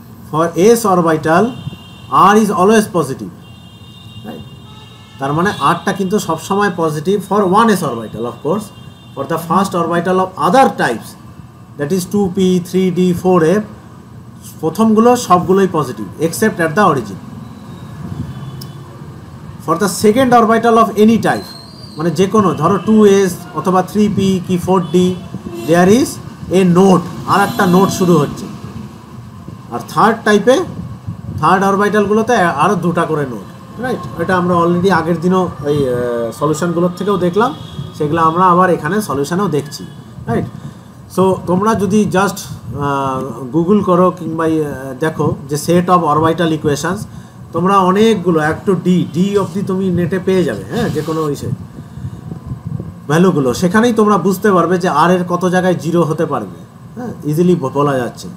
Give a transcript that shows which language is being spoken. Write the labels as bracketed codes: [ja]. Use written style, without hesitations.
[en] For s orbital r is always positive, right? [bn] তার মানে r টা কিন্তু সব সময় positive for 1s orbital, [en] of course. For the first orbital of other types, that is 2p, 3d, 4f, [bn] প্রথমগুলো সবগুলোই positive [en] except at the origin. For the second orbital of any type, [bn] মানে যে কোনো ধরো 2s অথবা 3p কি 4d, [en] there is a node, [bn] আর একটা node শুরু হচ্ছে. আর third type এ third orbital গুলোতে আরো দুটা করে node, right? এটা আমরা অলরেডি আগের দিনও ওই solution গুলোর থেকেও দেখলাম, সেগুলো আমরা আবার এখানে সলিউশনও দেখছি, রাইট? সো তোমরা যদি জাস্ট গুগল করো কিংবা দেখো যে সেট অফ অরবাইটাল ইকুয়েশনস, তোমরা অনেকগুলো এক টু ডি ডি অবধি তুমি নেটে পেয়ে যাবে, হ্যাঁ, যে কোনো ইসে ভ্যালুগুলো, সেখানেই তোমরা বুঝতে পারবে যে আর এর কত জায়গায় জিরো হতে পারবে, হ্যাঁ, ইজিলি বলা যাচ্ছে.